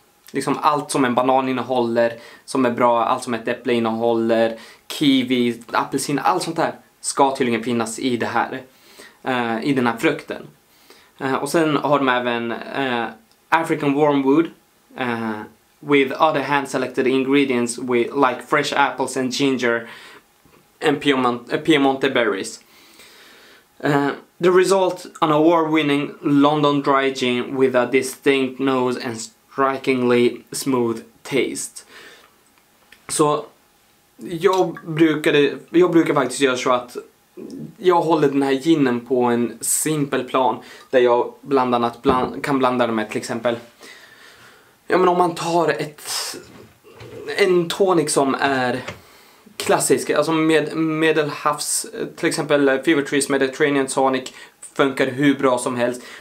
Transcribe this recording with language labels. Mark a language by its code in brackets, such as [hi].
[sv] Liksom allt som en banan innehåller som är bra, allt som ett äpple innehåller, kiwi, apelsin, allt sånt här ska tydligen finnas i det här. I den här frukten. Och sen har de även African wormwood. [en] With other hand-selected ingredients with, like fresh apples and ginger and Piemonte berries. The result, an award-winning London dry gin with a distinct nose and strikingly smooth taste. [sv] Så jag brukar faktiskt göra så att jag håller den här ginen på en simpel plan där jag bland annat kan blanda den med till exempel, ja men om man tar en tonic som är klassisk, alltså med medelhavs, till exempel Fever Trees Mediterranean Tonic funkar hur bra som helst.